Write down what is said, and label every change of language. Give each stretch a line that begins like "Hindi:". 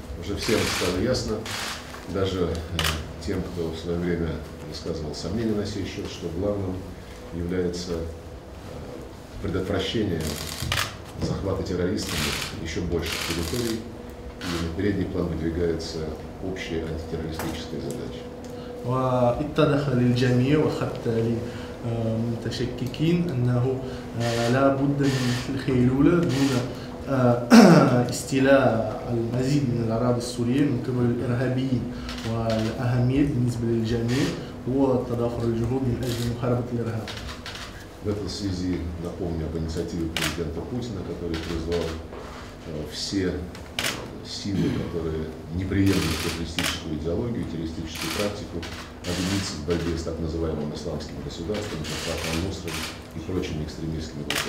Russian: Уже всем стало ясно, даже тем, кто в свое время высказывал сомнения на сей счет, что главным является предотвращение захвата террористами еще больших территорий, и на передний план выдвигается общая антитеррористическая задача.
Arabic: واتدخل الجميع وحتى للمتشككين انه لا بد من الخيلوله دون استيلاء المزيد من الاراضي السوريه من قبل الارهابيين والاهميه بالنسبه للجميع هو تضافر الجهود من اجل محاربه الارهاب.
Russian: В этой связи напомню об инициативе президента Путина, который призвал все силы, которые неприемлемы террористическую идеологию, террористическую практику, объединиться в борьбе с так называемым исламским государством, Аль-Нусра и прочими экстремистскими